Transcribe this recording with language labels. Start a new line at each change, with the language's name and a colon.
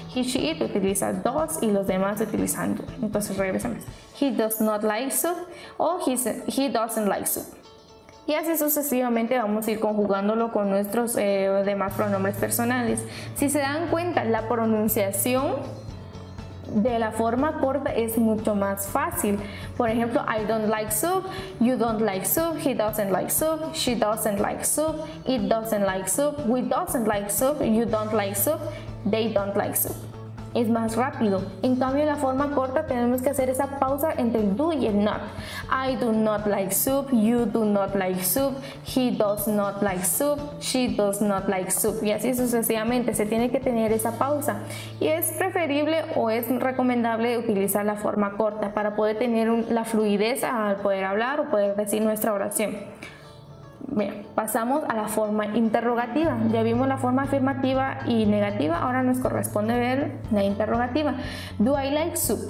Spanish: He, she, it utiliza does y los demás utilizan do. Entonces regresamos.
English: He does not like soup o he doesn't like soup.
Spanish: Y así sucesivamente vamos a ir conjugándolo con nuestros demás pronombres personales. Si se dan cuenta, la pronunciación de la forma corta es mucho más fácil. Por ejemplo,
English: I don't like soup, you don't like soup, he doesn't like soup, she doesn't like soup, it doesn't like soup, we doesn't like soup, you don't like soup, they don't like soup.
Spanish: Es más rápido. En cambio, en la forma corta tenemos que hacer esa pausa entre el do y el not.
English: I do not like soup, you do not like soup, he does not like soup, she does not like soup.
Spanish: Y así sucesivamente, se tiene que tener esa pausa. Y es preferible o es recomendable utilizar la forma corta para poder tener la fluidez al poder hablar o poder decir nuestra oración. Bien, pasamos a la forma interrogativa. Ya vimos la forma afirmativa y negativa, ahora nos corresponde ver la interrogativa.
English: Do I like soup?